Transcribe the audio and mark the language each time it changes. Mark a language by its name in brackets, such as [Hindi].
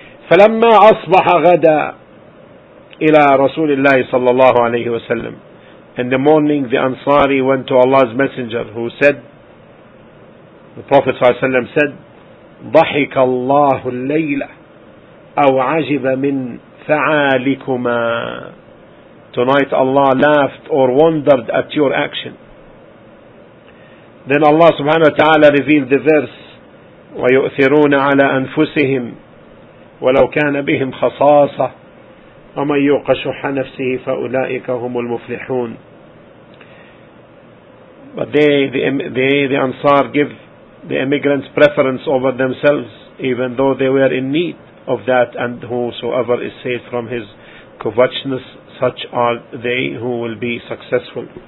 [Arabic] فلما أصبح غدا إلى رسول الله صلى الله عليه وسلم. [English] In the morning the Ansari went to Allah's Messenger who said, the Prophet [Arabic] صلى الله عليه وسلم [English] said, [Arabic] ضحك الله الليلة أو عجب من فعالكما. [English] Tonight Allah laughed or wondered at your action. Then Allah subhanahu wa ta'ala revealed the verse, [Arabic] ويؤثرون على أنفسهم ولو كان بهم خصاصة ومن يوق شح نفسه فأولئك هم المفلحون. [English] But the Ansar give the immigrants preference over themselves even though they were in need of that, and whosoever is saved from his covetousness, such are they who will be successful.